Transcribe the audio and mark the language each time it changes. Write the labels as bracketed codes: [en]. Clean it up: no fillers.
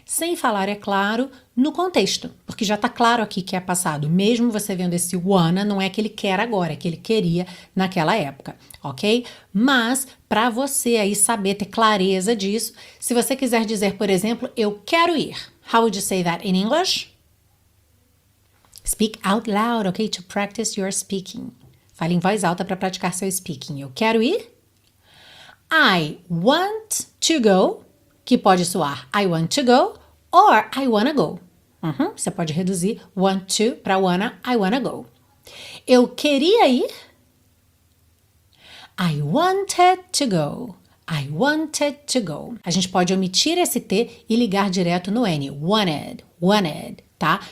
[pt] Sem falar, é claro, no contexto, porque já está claro aqui que é passado. Mesmo você vendo esse wanna, não é que ele quer agora, é que ele queria naquela época, ok? Mas, para você aí saber, ter clareza disso, se você quiser dizer, por exemplo, eu quero ir. [en] How would you say that in English? Speak out loud, ok? To practice your speaking. [pt] Fale em voz alta para praticar seu speaking. Eu quero ir. [en] I want to go, [pt] que pode soar [en] I want to go, or I wanna go. [pt] Você pode reduzir want to para wanna, [en] I wanna go. [pt] Eu queria ir. [en] I wanted to go. I wanted to go. [pt] A gente pode omitir esse T e ligar direto no N. Wanted, wanted, tá?